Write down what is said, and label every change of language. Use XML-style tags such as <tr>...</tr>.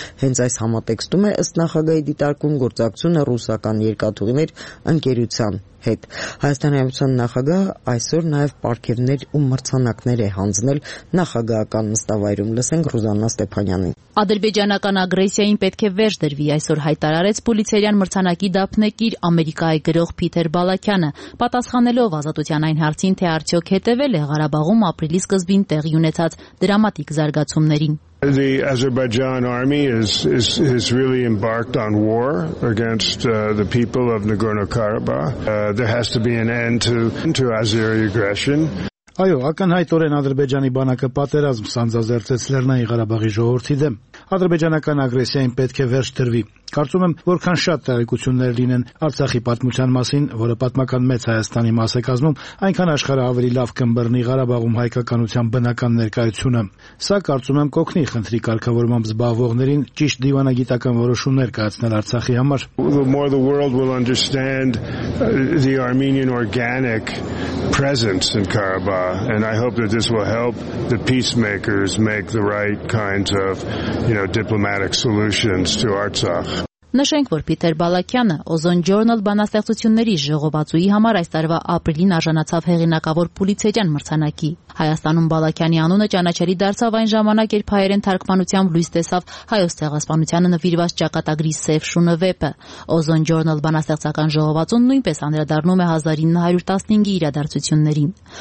<hy>Հենց այս համատեքստում է ըստ նախագահի դիտարկում գործակցությունը ռուսական երկաթուղիներ ընկերության հետ։ Հայաստանի հայկական նախագահ այսօր նաև պարգևներ ու մրցանակներ է հանձնել նախագահական նստավայրում։ Լսենք Ռուզաննա Ստեփանյանին։ Ադրբեջանական ագրեսիային պետք է վերջ դրվի, այսօր հայտարարեց Պուլիցերյան մրցանակի դափնեկիր Ամերիկայի գրող Փիթեր Բալակյանը, պատասխանելով ազատության այն հարցին, թե արդյոք հետևել է Ղարաբաղում ապրիլի սկզբին տեղի ունեցած դրամատիկ զարգացումներին։</hy> <en>The Azerbaijan army has really embarked on war against the people of Nagorno-Karabakh. There has to be an end to Azeri aggression.</en> <hy>Այո, ակնհայտորեն Ադրբեջանի բանակը պատերազմ սանձազերծեց Լեռնային Ղարաբաղի ժողովրդի դեմ։ Ադրբեջանական ագրեսիային պետք է վերջ դրվի։ Կարծում եմ, որքան շատ տեղեկություններ լինեն Արցախի պատմության մասին, որը պատմական մեծ Հայաստանի մաս է կազմում, այնքան աշխարհը ավելի լավ կմբռնի Ղարաբաղում հայկականության բնական ներկայությունը։ Սա, կարծում եմ, կօգնի խնդրի կարգավորմամբ զբաղվողներին ճիշտ դիվանագիտական որոշումներ կայացնել Արցախի համար։</hy> <en>The more the world will understand the Armenian organic presence in Karabakh, and I hope that this will help the peacemakers make the right kinds of, you know, diplomatic solutions to Artsakh.</en> <hy>Նշենք, որ Փիթեր Բալակյանը Ozone Journal բանաստեղծությունների ժողովածուի համար այս տարվա ապրիլին արժանացավ հեղինակավոր Պուլիցերյան մրցանակի։ Հայաստանում Բալակյանի անունը ճանաչելի դարձավ այն ժամանակ, երբ հայերեն թարգմանությամբ լույս տեսավ հայոց ցեղասպանությանը նվիրված ճակատագրի «Սև շունը» վեպը։ Ozone Journal բանաստեղծական ժողովածուն նույնպես անդրադառնում է 1915-ի իրադարձություններին։</hy>